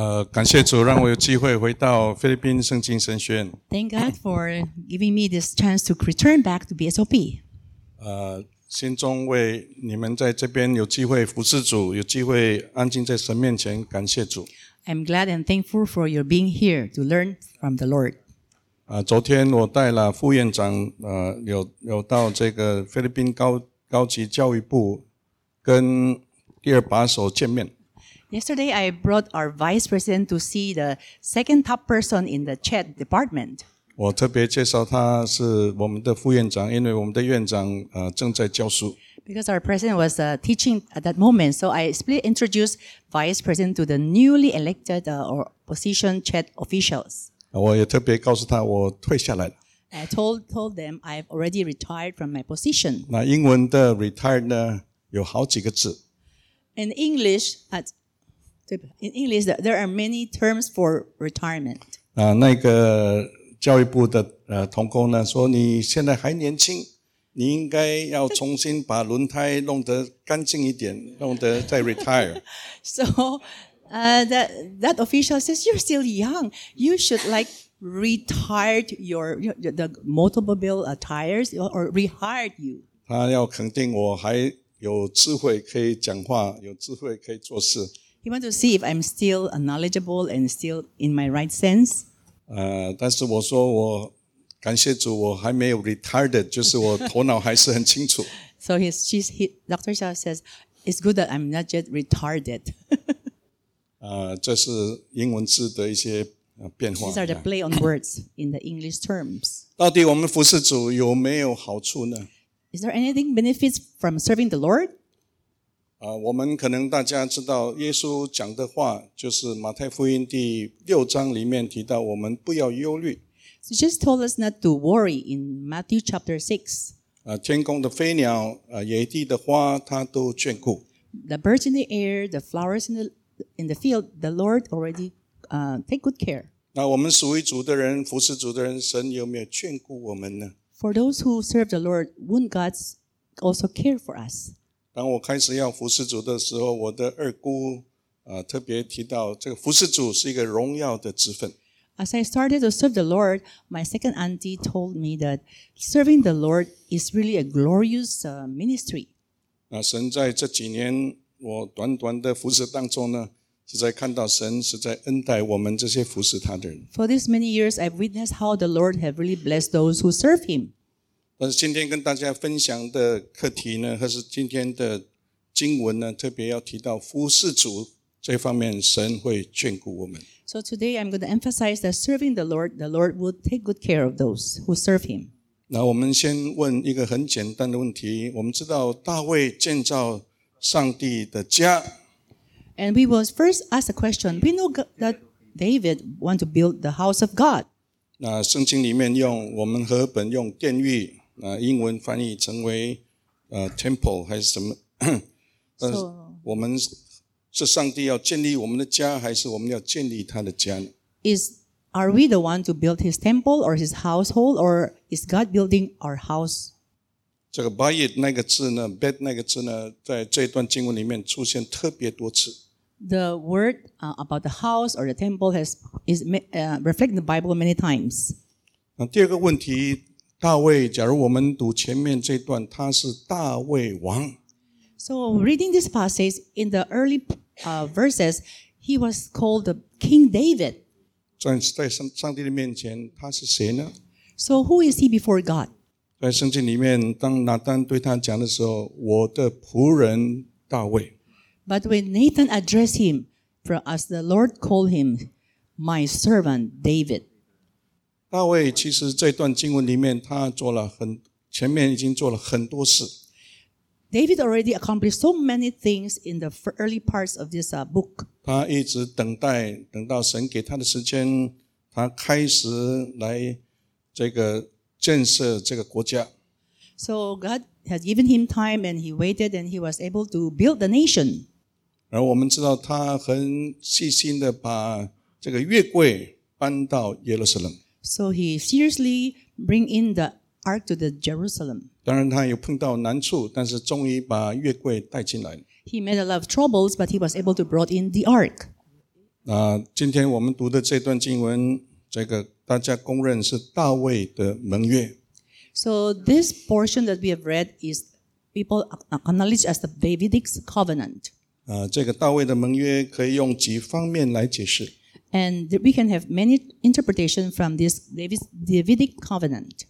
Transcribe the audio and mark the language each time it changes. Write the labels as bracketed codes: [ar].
[zh] 感谢主让我有机会回到菲律宾圣经神学院。 [en] Thank God for giving me this chance to return back to BSOP. [zh] 心中为你们在这边有机会服侍主，有机会安静在神面前感谢主。 [en] I'm glad and thankful for your being here to learn from the Lord. [zh] 昨天我带了副院长，有到这个菲律宾高级教育部跟第二把手见面。 [en] Yesterday, I brought our vice president to see the second top person in the CHED department. [zh] 我特别介绍他是我们的副院长，因为我们的院长正在教书。 [en] Because our president was teaching at that moment, so I introduced vice president to the newly elected or position CHED officials. [zh] 我也特别告诉他我退下来了。 [en] I told them I've already retired from my position. [zh] 那英文的 retired 呢，有好几个字。 [en] In English, there are many terms for retirement. [zh] 那个教育部的同工呢说你现在还年轻，你应该要重新把轮胎弄得干净一点，弄得再 retire. [en] So, that official says you're still young. You should like retired the motorbike tires or rehired you. [zh] 他要肯定我还有智慧可以讲话，有智慧可以做事。 [en] He wants to see if I'm still knowledgeable and still in my right sense. [zh] 但是我说我感谢主，我还没有 retired， 就是我头脑还是很清楚。 [en] So Dr. Xiao says it's good that I'm not yet retarded. [zh] 这是英文字的一些变化。 [en] These are the play on words in the English terms. [zh] 到底我们服侍主有没有好处呢 [en] ？Is there anything benefits from serving the Lord？ [zh] 我们可能大家知道耶稣讲的话就是马太福音第六章里面提到我们不要忧虑。 [en] He just told us not to worry in Matthew chapter 6. [zh] 天空的飞鸟野地的花他都眷顾。 [en] The birds in the air, the flowers in the field, the Lord already take good care. [zh] 那我们属于主的人服侍主的人神有没有眷顾我们呢 [en] ?For those who serve the Lord, wouldn't God also care for us? [zh] 当我开始要服侍主的时候，我的二姑特别提到这个服侍主是一个荣耀的职分。 [en] As I started to serve the Lord, my second auntie told me that serving the Lord is really a glorious ministry. [zh] 神在这几年我短短的服侍当中呢，实在看到神实在恩待我们这些服侍他的人。 [en] For these many years, I've witnessed how the Lord has really blessed those who serve Him. [zh] 但是今天跟大家分享的课题呢，或是今天的经文呢，特别要提到服侍主这方面，神会眷顾我们。 [en] So today I'm going to emphasize that serving the Lord will take good care of those who serve Him. [zh] 那我们先问一个很简单的问题：我们知道大卫建造上帝的家。 [en] And we will first ask a question. We know that David want to build the house of God. [zh] 那圣经里面用我们和本用殿宇。英文翻译成为temple 还是什么？但是我们是上帝要建立我们的家，还是我们要建立他的家呢 [en] ？Are we the one to build his temple or his household, or is God building our house？ [zh] 这个 bayit 那个字呢 ，bed 那个字呢，在这段经文里面出现特别多次。 [en] The word about the house or the temple is reflected in the Bible many times。 [zh] 第二个问题。大卫，假如我们读前面这段，他是大卫王。 [en] So reading this passage in the early verses, he was called the King David. [zh] 在上帝的面前，他是谁呢 [en] ？So who is he before God? [zh] 在圣经里面，当拿单对他讲的时候，我的仆人大卫。 [en] But when Nathan addressed him, for as the Lord called him, my servant David. [zh] 大卫其实这段经文里面他做了很前面已经做了很多事。 [en] David already accomplished so many things in the early parts of this book. [zh] 他一直等待等到神给他的时间他开始来这个建设这个国家。 [en] So God has given him time and he waited and he was able to build the nation. [zh] 而我们知道他很细心的把这个约柜搬到耶路撒冷。 [en] So he seriously bring in the ark to the Jerusalem. [zh] 当然他有碰到难处但是终于把约柜带进来。 [en] He made a lot of troubles, but he was able to brought in the ark. [zh] 今天我们读的这段经文，这个大家公认是大卫的盟约。 [en] So this portion that we have read is people acknowledge as the Davidic covenant. [zh] 这个大卫的盟约可以用几方面来解释。 [en] And we can have many interpretations from this Davidic covenant.